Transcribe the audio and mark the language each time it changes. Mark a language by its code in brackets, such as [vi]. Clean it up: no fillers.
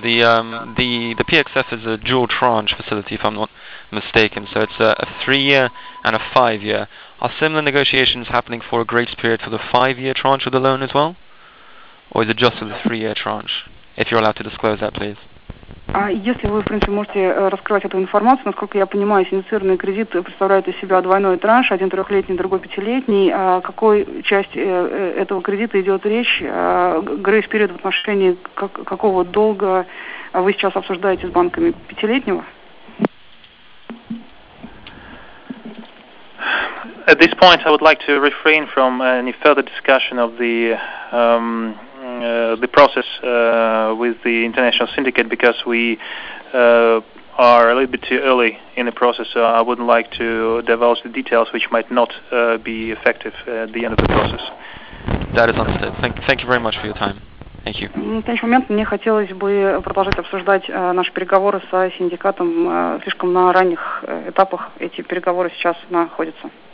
[en] The PXF is a dual tranche facility, if I'm not mistaken. So it's a 3-year and a 5-year. Are similar negotiations happening for a grace period for the 5-year tranche of the loan as well? Or is it just for the 3-year tranche? If you're allowed to disclose that, please. [ru] Если вы, в принципе, можете раскрывать эту информацию, насколько я понимаю, синдицированный кредит представляет из себя двойной транш, один трехлетний, другой пятилетний. О какой части этого кредита идет речь? Грейс-период в отношении какого долга вы сейчас обсуждаете с банками? Пятилетнего? [en] At this point I would like to refrain from any further discussion of the the process with the international syndicate, because we are a little bit too early in the process, so I wouldn't like to divulge the details which might not be effective at the end of the process. That is understood. Thank you very much for your time. Thank you. [ru] В данный момент мне хотелось бы продолжать обсуждать наши переговоры со синдикатом слишком на ранних этапах. Эти переговоры сейчас находятся.